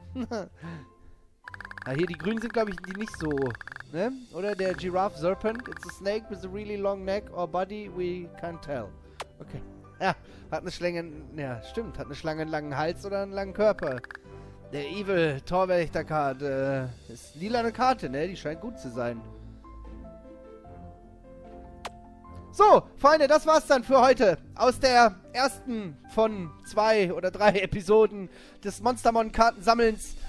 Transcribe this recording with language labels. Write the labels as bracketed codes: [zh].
[de] Na, hier, die Grünen sind, glaube ich, die nicht so, ne? Oder der Giraffe Serpent. [en] It's a snake with a really long neck or body. We can't tell. [de] Okay. Ja, hat eine Schlange. Ja, stimmt. Hat eine Schlange einen langen Hals oder einen langen Körper. Der Evil Torwächter Card. Ist lila eine Karte, ne? Die scheint gut zu sein. So, Freunde, das war's dann für heute. Aus der ersten von 2 oder 3 Episoden des Monstermon-Kartensammelns.